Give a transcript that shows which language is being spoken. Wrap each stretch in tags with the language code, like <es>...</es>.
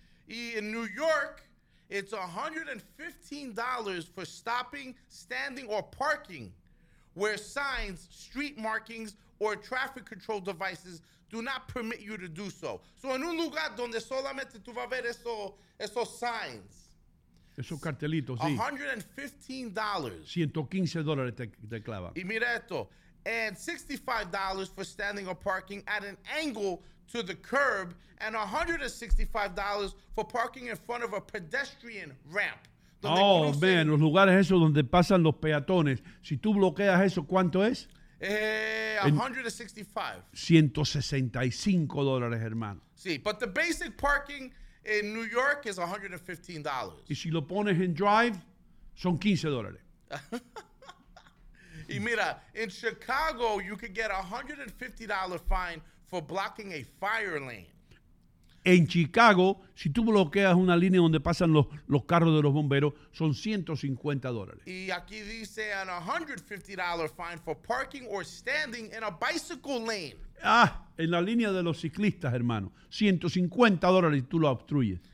<en>Y en New York, it's $115 for stopping, standing, or parking where signs, street markings, or traffic control devices do not permit you to do so.</en> <es>So en un lugar donde solamente tú vas a ver esos signs. Esos cartelitos, sí. $115. $115 te clava. Y mira esto.</es> <en>And $65 for standing or parking at an angle to the curb, and $165 for parking in front of a pedestrian ramp. Oh, man,</en> <es>los lugares esos donde pasan los peatones. Si tú bloqueas eso, ¿cuánto es? $165, hermano.</es> <en>Sí, but the basic parking in New York is $115.</en> <es>Y si lo pones en drive, son $15. Y mira,</es> <en>in Chicago, you could get a $150 fine for blocking a fire lane.</en> <es>En Chicago, si tú bloqueas una línea donde pasan los carros de los bomberos, son $150. Y aquí dice</es> <en>a $150 fine for parking or standing in a bicycle lane.</en> <es>Ah, en la línea de los ciclistas, hermano. $150 y tú lo obstruyes.</es>